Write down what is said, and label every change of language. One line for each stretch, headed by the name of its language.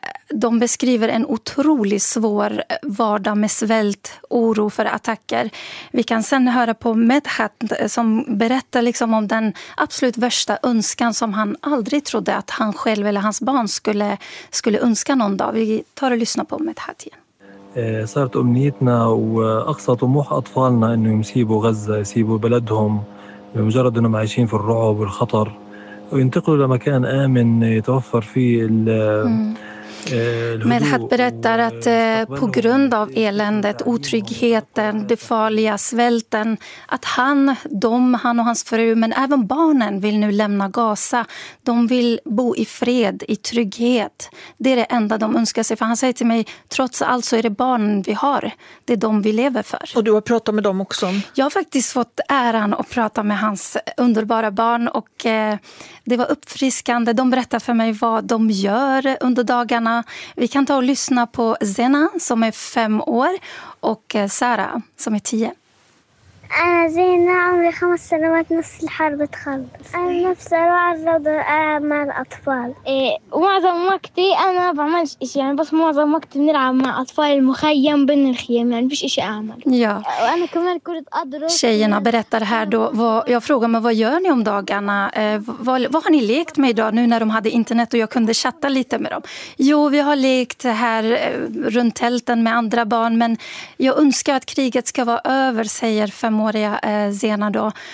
Swedish: De beskriver en otroligt svår vardag med svält, oro för attacker. Vi kan sen höra på Medhat som berättar liksom om den absolut värsta önskan som han aldrig trodde att han själv eller hans barn skulle önska någon dag. Vi tar och lyssnar på Medhat igen.
Arabic: صارت أمنيتنا وأقصى طموح أطفالنا إنه يسيبوا غزة، يسيبوا بلدهم بمجرد إنهم عايشين في الرعب والخطر وينتقلوا لمكان آمن يتوفر فيه.
Swedish: Medhat berättar att på grund av eländet, otryggheten, det farliga, svälten, att han och hans fru, men även barnen vill nu lämna Gaza. De vill bo i fred, i trygghet. Det är det enda de önskar sig. För han säger till mig, trots allt så är det barnen vi har. Det är de vi lever för. Och du har pratat med dem också? Jag har faktiskt fått äran att prata med hans underbara barn och det var uppfriskande. De berättar för mig vad de gör under dagen. Vi kan ta och lyssna på Zena som är 5 år och Sara som är 10.
Arabic: زينة عمري 5 سنوات نص الحرب تخلص. أنا نفسي أروح الرضا مع الأطفال. معظم وقتي أنا بعمل إشي يعني، بس معظم وقتي بنلعب مع أطفال المخيم بين الخيام يعني، فيش إشي أعمل. يا. وأنا كمان كنت أدرس.
Swedish: Tjejerna berättar här då, vad, jag frågar mig vad gör ni om dagarna? Vad har ni lekt med idag nu när de hade internet och jag kunde chatta lite med dem? Jo, vi har lekt här runt tälten med andra barn, men jag önskar att kriget ska vara över, säger 5-åriga Zena då.